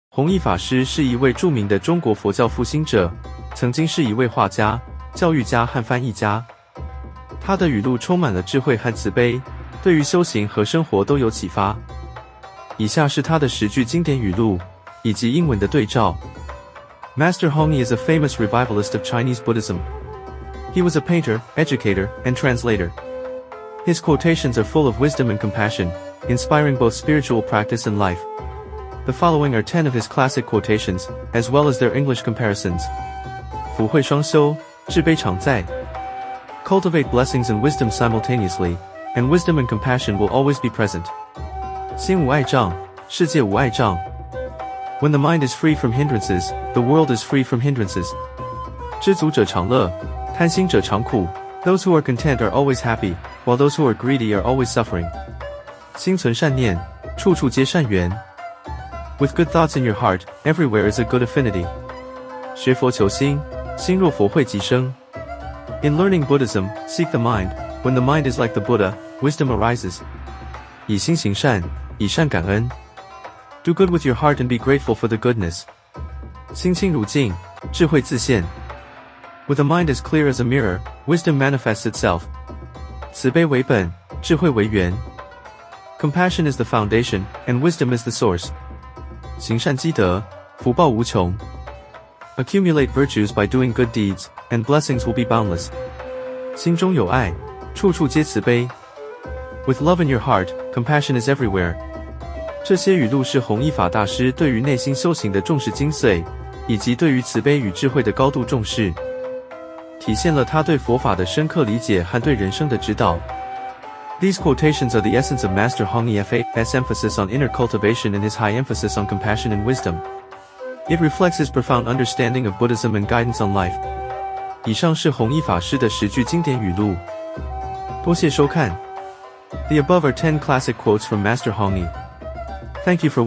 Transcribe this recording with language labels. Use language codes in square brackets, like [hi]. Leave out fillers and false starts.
[zh] 弘一法师是一位著名的中国佛教复兴者，曾经是一位画家、教育家和翻译家。他的语录充满了智慧和慈悲，对于修行和生活都有启发。以下是他的十句经典语录以及英文的对照。 [en] Master Hong Yi is a famous revivalist of Chinese Buddhism. He was a painter, educator, and translator. His quotations are full of wisdom and compassion, inspiring both spiritual practice and life. The following are 10 of his classic quotations, as well as their English comparisons. [zh] 福慧双修，智悲常在。 [en] Cultivate blessings and wisdom simultaneously, and wisdom and compassion will always be present. [zh] 心无碍障，世界无碍障。 [en] When the mind is free from hindrances, the world is free from hindrances. [zh] 知足者常乐，贪心者常苦。 [en] Those who are content are always happy, while those who are greedy are always suffering. [zh] 心存善念，处处皆善缘。 [en] With good thoughts in your heart, everywhere is a good affinity. [zh] 学佛求心，心若佛慧即生。 [en] In learning Buddhism, seek the mind. When the mind is like the Buddha, wisdom arises. [zh] 以心行善，以善感恩。 [en] Do good with your heart and be grateful for the goodness. [zh] 心清如镜，智慧自现。 [en] With a mind as clear as a mirror, wisdom manifests itself. [zh] 慈悲为本，智慧为源。 [en] Compassion is the foundation, and wisdom is the source. [zh] 行善积德，福报无穷。 [en] Accumulate virtues by doing good deeds, and blessings will be boundless. [zh] 心中有爱，处处皆慈悲。 [en] With love in your heart, compassion is everywhere. [zh] 这些语录是弘一法大师对于内心修行的重视精髓，以及对于慈悲与智慧的高度重视，体现了他对佛法的深刻理解和对人生的指导。 [en] These quotations are the essence of Master Hong Yi Fa's emphasis on inner cultivation and his high emphasis on compassion and wisdom. It reflects his profound understanding of Buddhism and guidance on life. [zh] 以上是弘一法师的十句经典语录。多谢收看。 [en] The above are 10 classic quotes from Master Hong Yi. Thank you for watching.